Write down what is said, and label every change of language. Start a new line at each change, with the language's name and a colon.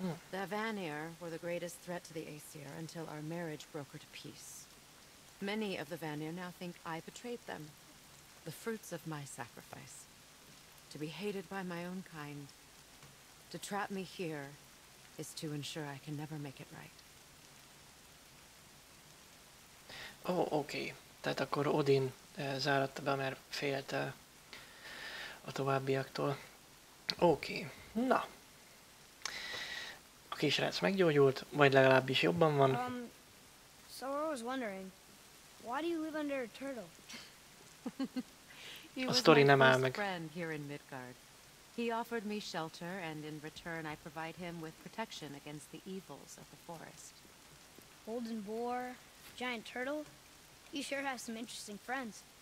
English: The Vanir were the greatest threat to the Aesir until our marriage brokered peace. Many of the Vanir now think I betrayed them, the fruits of my sacrifice. To be hated by my own kind, to trap me here, is to ensure I can never make it right. Oh, okay.
Hungarian: Tehát akkor Odin záratta be, mert félte a továbbiaktól. Oké, na. A kisrác meggyógyult, vagy legalábbis jobban van.
English: So I was wondering, why do you live under a turtle?
Hungarian: A sztori nem áll meg.
English: He was my friend here in Midgard. He offered me shelter, and in return I provide him with protection against the evils of the forest. Golden boar, giant turtle? You sure have some interesting friends.